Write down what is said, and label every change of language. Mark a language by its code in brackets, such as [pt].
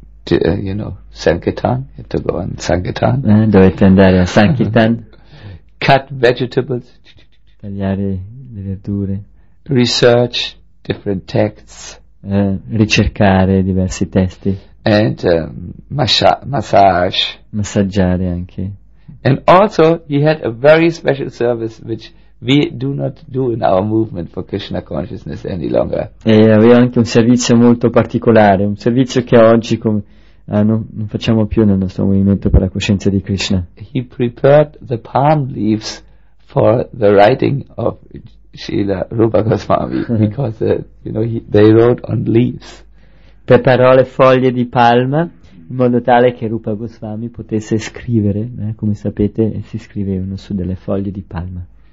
[en] You know, Sankirtan, had to go on Sankirtan. [it] Dovete andare a Sankirtan. [en] Cut vegetables. [it] Tagliare le verdure. [en] Research different texts. [it] Ricercare diversi testi. [en] And massage. [it] Massaggiare anche. [en] And also he had a very special service which we do not do in our movement for Krishna consciousness any longer. [it] E aveva anche un servizio molto particolare, un servizio che oggi non facciamo più nel nostro movimento per la coscienza di Krishna. [en] He prepared the palm leaves for the writing of Srila Rupa Goswami, because you know, they wrote on leaves. [it] Preparò le foglie di palma in modo tale che Rupa Goswami potesse scrivere, come sapete, si scrivevano su delle foglie di palma.